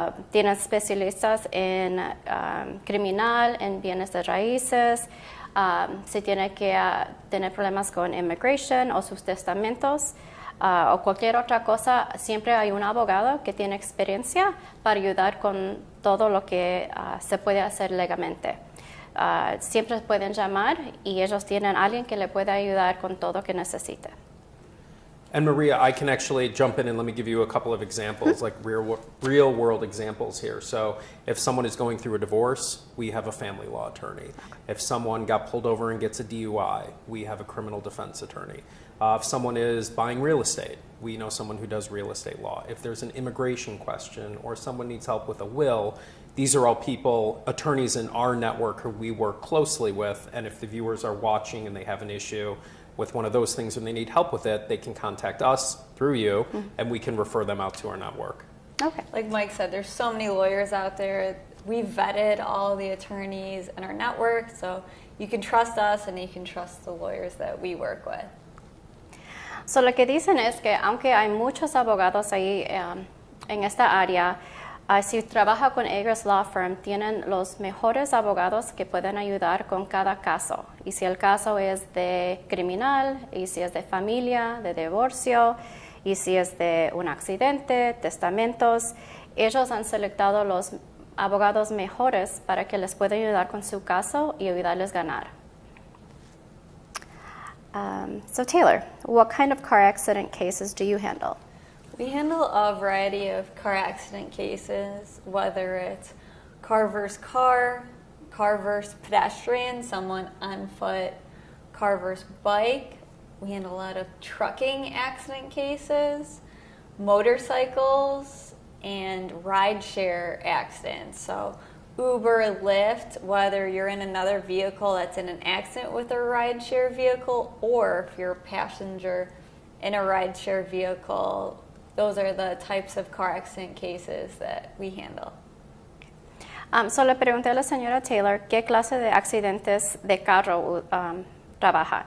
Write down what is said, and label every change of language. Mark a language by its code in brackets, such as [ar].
[es] Tienen especialistas en criminal, en bienes de raíces, si tiene que tener problemas con immigration o sus testamentos, o cualquier otra cosa, siempre hay un abogado que tiene experiencia para ayudar con todo lo que se puede hacer legalmente. Siempre pueden llamar y ellos tienen alguien que le puede ayudar con todo que necesite. [en] And Maria, I can actually jump in and let me give you a couple of examples, like real world examples here. So if someone is going through a divorce, we have a family law attorney. If someone got pulled over and gets a DUI, we have a criminal defense attorney. If someone is buying real estate, we know someone who does real estate law. If there's an immigration question or someone needs help with a will, these are all people, attorneys in our network who we work closely with. And if the viewers are watching and they have an issue with one of those things and they need help with it, they can contact us through you and we can refer them out to our network. Okay. Like Mike said, there's so many lawyers out there. We vetted all the attorneys in our network, so you can trust us and you can trust the lawyers that we work with. [es] So lo que dicen es que aunque hay muchos abogados ahí en esta área, si trabaja con Agruss Law Firm, tienen los mejores abogados que pueden ayudar con cada caso. Y si el caso es de criminal, y si es de familia, de divorcio, y si es de un accidente, testamentos, ellos han seleccionado los abogados mejores para que les puedan ayudar con su caso y ayudarles a ganar. [en] So Taylor, what kind of car accident cases do you handle? We handle a variety of car accident cases, whether it's car versus car versus pedestrian, someone on foot, car versus bike. We handle a lot of trucking accident cases, motorcycles, and rideshare accidents. So Uber, Lyft, whether you're in another vehicle that's in an accident with a rideshare vehicle, or if you're a passenger in a rideshare vehicle, those are the types of car accident cases that we handle. [es] So le pregunté a la señora Taylor qué clase de accidentes de carro trabaja.